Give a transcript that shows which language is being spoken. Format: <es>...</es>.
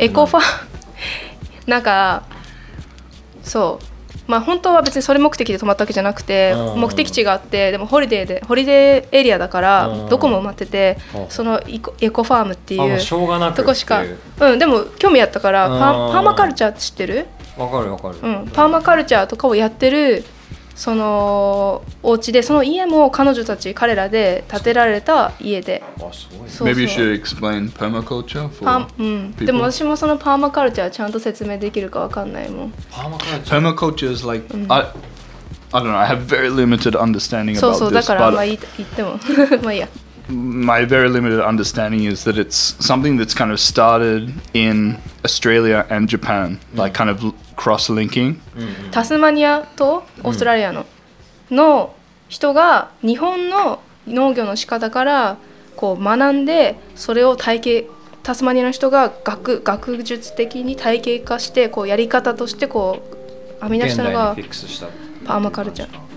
<ja>エコファーム、なんかそう、まあ本当は別にそれ目的で泊まったわけじゃなくて、目的地があって、でもホリデーエリアだからどこも埋まってて、そのエコファームっていうしょうがなくとこしか、うん、でも興味あったから、パーマカルチャーって知ってる？わかるわかる。うん、パーマカルチャーとかをやってるそのお家で、その家も彼女たち彼らで建てられた家で。そうそう。</ja> <en>Maybe you should explain permaculture for people.</en> <ja>でも私もそのパーマカルチャーちゃんと説明できるかわかんないもん。パーマカルチャー。</ja> <en>Permaculture is like、I don't know. I have very limited understanding about this.</en> <ja>そうそう。だからまあ言っても、まあいいや。</ja> <en>My very limited understanding is that it's something that's kind of started in Australia and Japan, like kind of cross-linking.</en> <ja>タスマニアとオーストラリアの、の人が日本の農業の仕方からこう学んで、それを体系、タスマニアの人が 学術的に体系化して、こうやり方としてこう編み出したのがパーマカルチャー。</ja>